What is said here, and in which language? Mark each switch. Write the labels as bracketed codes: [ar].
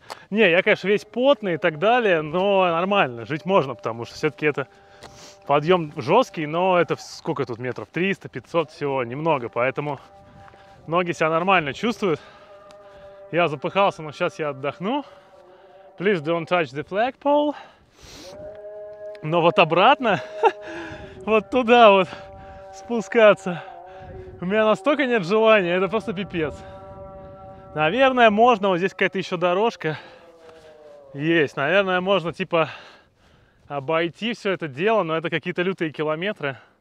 [ru] Не, я, конечно, весь потный и так далее, но нормально, жить можно, потому что все-таки это подъем жесткий, но это сколько тут метров? 300, 500 всего, немного, поэтому ноги себя нормально чувствуют. Я запыхался, но сейчас я отдохну. [en] Please don't touch the flagpole. [ru] Но вот обратно, вот туда вот спускаться, у меня настолько нет желания, это просто пипец. Наверное, можно, вот здесь какая-то еще дорожка есть. Наверное, можно типа обойти все это дело, но это какие-то лютые километры.